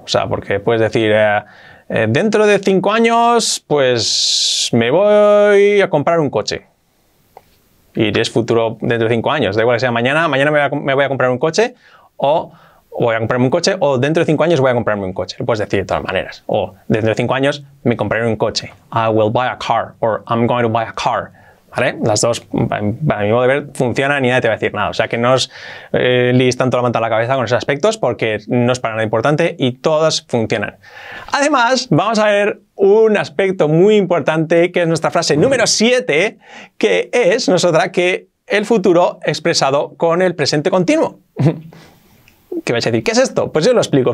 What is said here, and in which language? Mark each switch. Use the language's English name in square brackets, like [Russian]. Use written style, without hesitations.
[Spanish] O sea, porque puedes decir dentro de 5 años, pues me voy a comprar un coche. Y es futuro dentro de 5 años. Da igual que sea mañana me voy a comprar un coche o voy a comprarme un coche, o dentro de 5 años voy a comprarme un coche. Lo puedes decir de todas maneras. O dentro de 5 años me compraré un coche. [English] I will buy a car, or I'm going to buy a car. [Spanish] ¿Vale? Las dos, a mi modo de ver, funcionan y nadie te va a decir nada. O sea que no os liéis tanto la manta a la cabeza con esos aspectos porque no es para nada importante y todas funcionan. Además, vamos a ver un aspecto muy importante que es nuestra frase número 7, que es nosotras que el futuro expresado con el presente continuo. ¿Qué vais a decir? ¿Qué es esto? Pues yo lo explico.